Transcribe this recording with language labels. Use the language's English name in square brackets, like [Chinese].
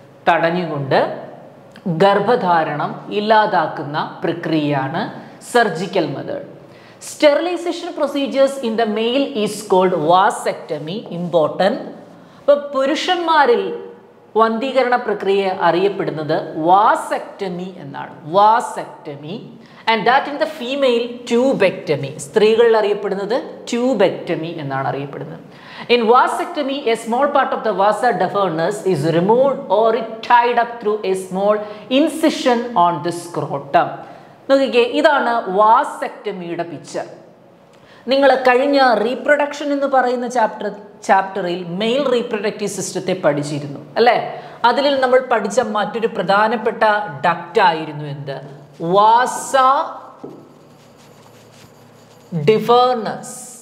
[Malayalam] തടഞ്ഞുകൊണ്ട് ഗർഭധാരണം ഇല്ലാതാക്കുന്ന പ്രക്രിയയാണ് surgical method. [English] Sterilization procedures in the male is called vasectomy. Important. [Malayalam] ഇപ്പോൾ പുരുഷന്മാരിൽ വന്ധീകരണ പ്രക്രിയ അറിയപ്പെടുന്നത് വാസെക്ടമി എന്നാണ്, vasectomy. [English] And that in the female, tubectomy. [Malayalam] സ്ത്രീകളിൽ അറിയപ്പെടുന്നത് tubectomy എന്നാണ് അറിയപ്പെടുന്നത്. [English] In vasectomy, a small part of the vasa deferens is removed or it tied up through a small incision on the scrotum. [Malayalam] നോക്കിക്കേ, ഇതാണ് വാസെക്ടമിയുടെ picture. നിങ്ങൾ കഴിഞ്ഞ reproduction എന്ന് പറയുന്ന ചാപ്റ്ററിൽ മെയിൽ റീപ്രൊഡക്റ്റീവ് സിസ്റ്റത്തെ പഠിച്ചിരുന്നു അല്ലേ. അതിൽ നമ്മൾ പഠിച്ച മറ്റൊരു പ്രധാനപ്പെട്ട ഡക്റ്റ് ആയിരുന്നു എന്ത്? വാസ ഡിഫേർണസ്.